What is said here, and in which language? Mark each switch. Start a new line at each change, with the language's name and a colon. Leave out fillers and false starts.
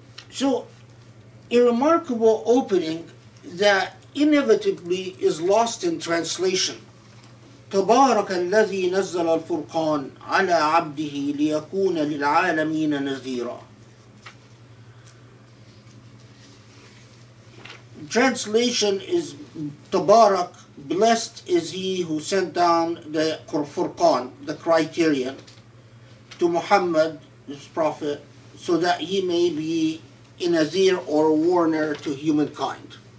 English: So, a remarkable opening that inevitably is lost in translation.
Arabic: تبارك الذي نزل الفرقان على عبده ليكون للعالمين نذيرا.
English: Translation is تبارك, blessed is he who sent down the Furqan, the criterion, to Muhammad, his prophet, so that he may be a nazir or a warner to humankind.